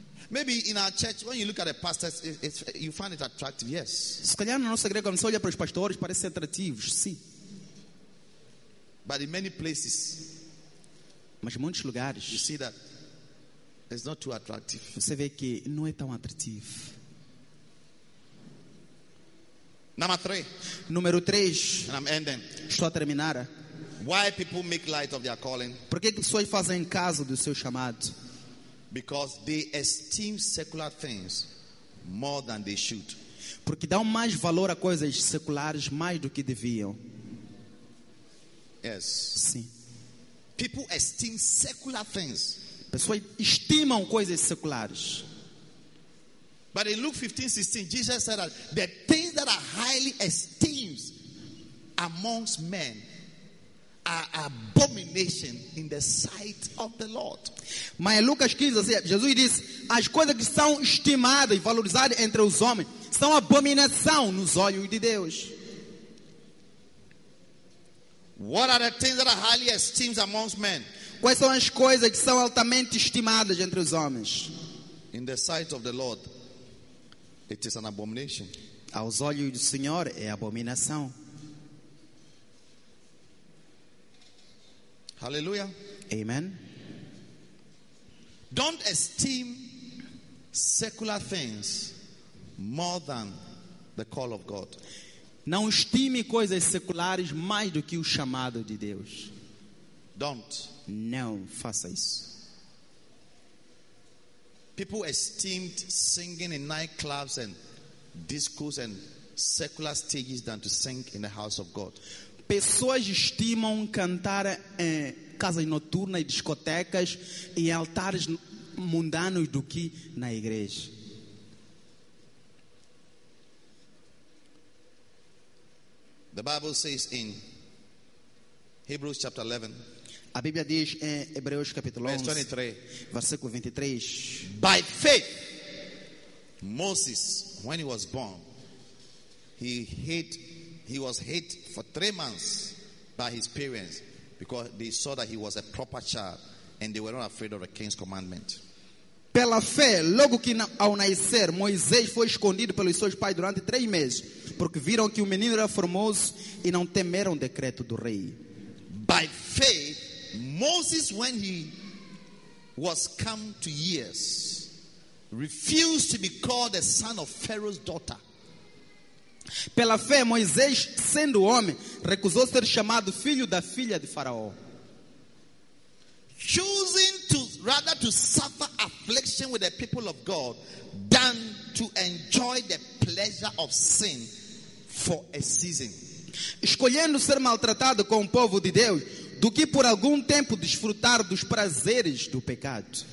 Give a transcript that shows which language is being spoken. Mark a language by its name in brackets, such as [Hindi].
[English] Maybe in our church, when you look at the pastors, you find it attractive. Yes. [Portuguese] Se calhar na nossa igreja, quando você olha para os pastores, parecem atrativos. Sim. [English] But in many places. [Portuguese] Mas muitos lugares, [English] you see that it's not too attractive. [Portuguese] Você vê que não é tão atrativo. [English] Number three. [Portuguese] Número 3. [English] And I'm ending. [Portuguese] Estou a terminar. [English] Why people make light of their calling? [Portuguese] Por que pessoas fazem caso do seu chamado? [English] Because they esteem secular things more than they should. [Portuguese] Porque dão mais valor a coisas seculares mais do que deviam. [English] Yes. [Portuguese] Sim. [English] People esteem secular things. [Portuguese] Pessoas estimam coisas seculares. [English] But in Luke 15, 16, Jesus said that the things that are highly esteemed amongst men are abomination in the sight of the Lord. [Portuguese] Mas em Lucas 15, Jesus diz, as coisas que são estimadas e valorizadas entre os homens são abominação nos olhos de Deus. [English] What are the things that are highly esteemed amongst men? [Portuguese] Quais são as coisas que são altamente estimadas entre os homens? [English] In the sight of the Lord, it is an abomination. [Portuguese] Aos olhos do Senhor é abominação. [English] Hallelujah. Amen. Don't esteem secular things more than the call of God. [Portuguese] Não estime coisas seculares mais do que o chamado de Deus. [English] Don't. [Portuguese] Não faça isso. [English] People esteemed singing in nightclubs and discos and secular stages than to sing in the house of God. [Portuguese] Pessoas estimam cantar em casas noturnas e discotecas e altares mundanos do que na igreja. [English] The Bible says in Hebrews chapter 11. [Portuguese] A Bíblia diz em Hebreus capítulo 11, versículo 23. [English] By faith, Moses, when he was born, he was hid for 3 months by his parents, because they saw that he was a proper child, and they were not afraid of the king's commandment. [Portuguese] Pela fé, logo que ao nascer, Moisés foi escondido pelos seus pais durante 3 meses, porque viram que o menino era formoso e não temeram o decreto do rei. [English] By faith, Moses, when he was come to years, refused to be called the son of Pharaoh's daughter. [Portuguese] Pela fé, Moisés, sendo homem, recusou ser chamado filho da filha de Faraó. [English] Choosing to rather to suffer affliction with the people of God than to enjoy the pleasure of sin for a season. [Portuguese] Escolhendo ser maltratado com o povo de Deus do que por algum tempo desfrutar dos prazeres do pecado.